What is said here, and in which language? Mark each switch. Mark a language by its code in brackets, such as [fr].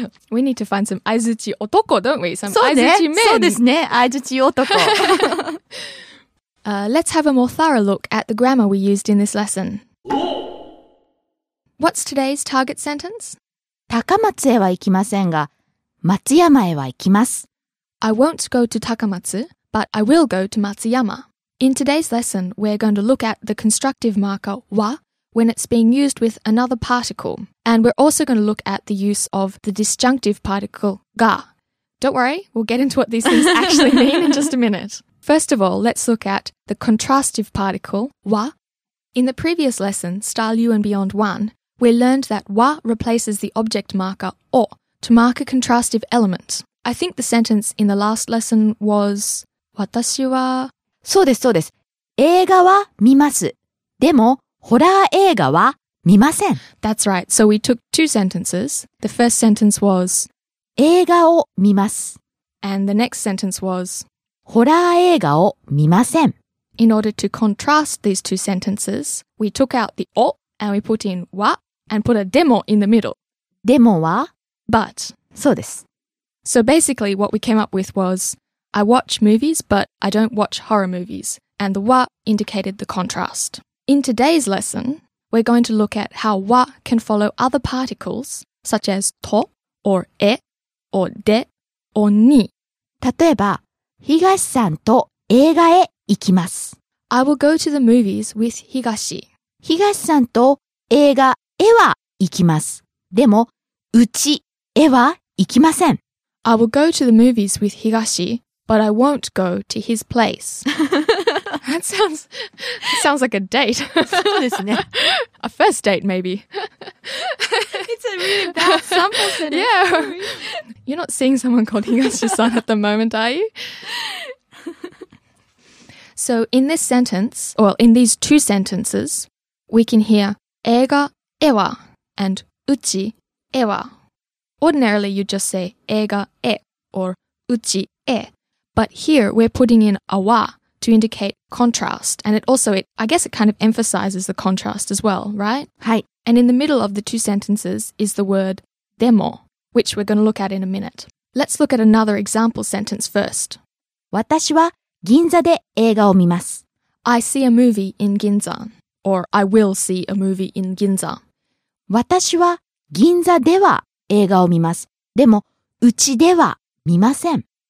[en] We need to find some 相づち男, don't we? Some 相づち men. [ja] そうですね。相づち男。 [en] Let's have a more thorough look at the grammar we used in this lesson. What's today's target sentence? 高松へは行きませんが、松山へは行きます。 I won't go to Takamatsu, but I will go to Matsuyama. In today's lesson, we're going to look at the constructive marker wa when it's being used with another particle. And we're also going to look at the use of the disjunctive particle ga. Don't worry, we'll get into what these things actually mean in just a minute. First of all, let's look at the contrastive particle wa. In the previous lesson, Style You and Beyond 1, we learned that wa replaces the object marker o to mark a contrastive element. I think the sentence in the last lesson was 私は [ja] そうですそうです映画は見ますでもホラー映画は見ません [en] That's right. So we took two sentences. The first sentence was [ja] 映画を見ます [en] And the next sentence was [ja] ホラー映画を見ません [en] In order to contrast these two sentences, we took out the お and we put in わ and put a でも in the middle. [ja] でもは [en] But [ja] そうです [en] So basically, what we came up with was, I watch movies, but I don't watch horror movies. And the wa indicated the contrast. In today's lesson, we're going to look at how wa can follow other particles, such as to, or e, or de, or ni. [ja] 例えば、東さんと映画へ行きます。 [en] I will go to the movies with 東。 [ja] 東さんと映画へは行きます。でも、うちへは行きません。 [en] I will go to the movies with 東、but I won't go to his place. That sounds like a date. [ja] そうですね。 [en] A first date, maybe. It's a really bad sample sentence. Yeah. You're not seeing someone called Higashi-san at the moment, are you? So in this sentence, or in these two sentences, we can hear 映画へは and うちへは. Ordinarily, you just say 映画へ or うちへ. But here, we're putting in a wa. To indicate contrast, and it kind of emphasizes the contrast as well, right? [ja] はい. [en] And in the middle of the two sentences is the word demo, which we're going to look at in a minute. Let's look at another example sentence first. [ja] 私は銀座で映画を見ます。 [en] I see a movie in Ginza, or I will see a movie in Ginza. [ja] 私は銀座では映画を見ます。でもうちでは見ません。